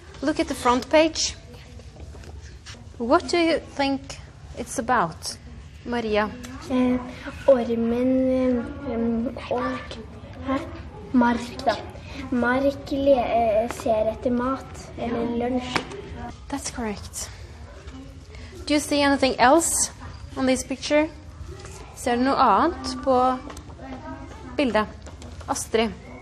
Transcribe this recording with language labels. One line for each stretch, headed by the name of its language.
English: Look at the front page. What do you think it's about, Maria?
Norwegian: Ormen og mark da. Mark ser etter mat eller lunsj.
English: That's correct. Do you see anything else on this picture?
Norwegian: Ser du noe annet på bildet? Astrid.